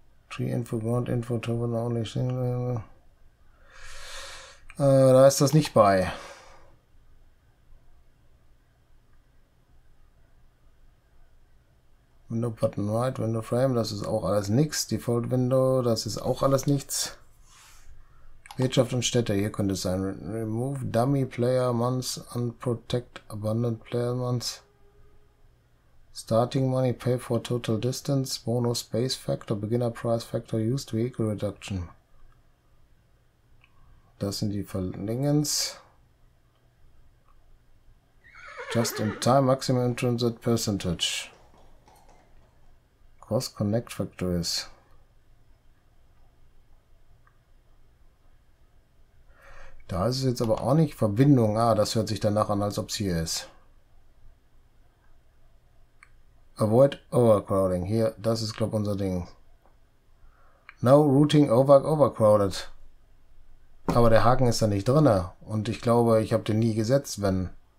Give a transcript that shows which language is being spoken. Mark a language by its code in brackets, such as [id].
[en] Tree info, ground info, token only single. [de] Da ist das nicht bei. [en] Window button right, window frame, [de] das ist auch alles nichts. [en] Default window, [de] das ist auch alles nichts. Wirtschaft und Städte, hier könnte es sein. [en] Remove dummy player months, unprotect abandoned player months. Starting money, pay for total distance, bonus space factor, beginner price factor, used vehicle reduction. [de] Das sind die Verlängerungs. [en] Just in time, maximum transit percentage. Cross connect factories. [de] Da ist es jetzt aber auch nicht. Verbindung. Ah, das hört sich danach an, als ob es hier ist. [en] Avoid overcrowding. [de] Hier, das ist, glaube ich, unser Ding. [en] No routing overcrowded. [de] Aber der Haken ist da nicht drin. Und ich glaube, ich habe den nie gesetzt, wenn.